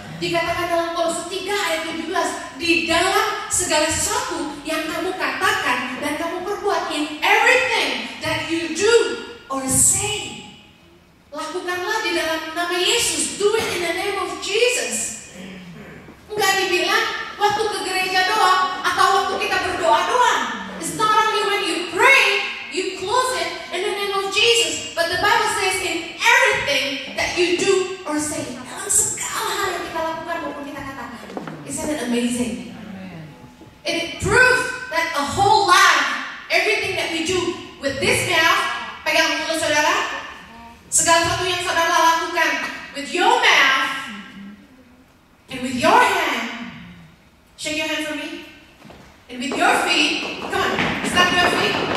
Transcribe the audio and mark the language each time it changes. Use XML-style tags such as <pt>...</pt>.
<id>Dikatakan dalam Kolose 3 ayat 17, di dalam segala sesuatu yang kamu katakan dan kamu perbuat,</id> <en>in everything that you do or say,</en> <id>lakukanlah di dalam nama Yesus.</id> <en>Do it in the name of Jesus.</en> <id>Enggak dibilang waktu ke gereja doang atau waktu kita berdoa doang.</id> <en>It's not only when you pray, you close it in the name of Jesus, but the Bible says in everything that you do or say.</en> <id>Dalam segala hal yang kita lakukan maupun kita katakan.</id> <en>Isn't it amazing? Amen. It proves that a whole life, everything that we do with this mouth,</en> <id>pegang mulut saudara, segala sesuatu yang saudara lakukan</id> <en>with your mouth and with your hand, shake your hand for me, and with your feet, come on, stand your feet.</en>